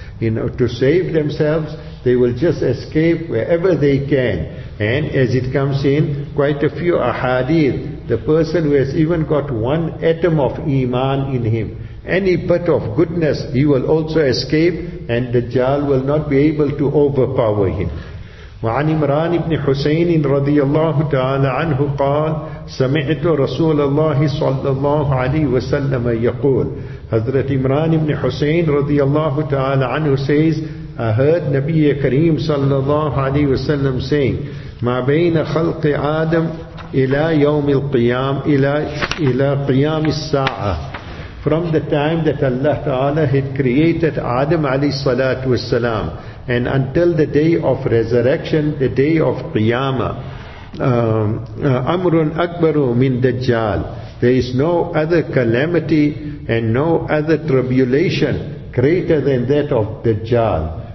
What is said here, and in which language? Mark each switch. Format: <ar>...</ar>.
<en>In order to save themselves, they will just escape wherever they can. And as it comes in quite a few ahadith, the person who has even got one atom of iman in him, any bit of goodness, he will also escape and Dajjal will not be able to overpower him.</en> <ar>وعن عمران بن حسين رضي الله تعالى عنه قال سمعت رسول الله صلى الله عليه وسلم يقول. حضرت عمران بن حسين رضي الله تعالى عنه</ar> <en>says, I heard</en> <ar>نبي كريم صلى الله عليه وسلم</ar> <en>saying,</en> <ar>ما بين خلق آدم إلى يوم القيام إلى قيام الساعة,</ar> <en>from the time that Allah Ta'ala had created Adam</en> <ar>عليه الصلاة والسلام</ar> <en>and until the day of resurrection, the day of Qiyamah,</en> <ar>Amrun Akbaru min Dajjal,</ar> <en>there is no other calamity and no other tribulation greater than that of Dajjal.</en>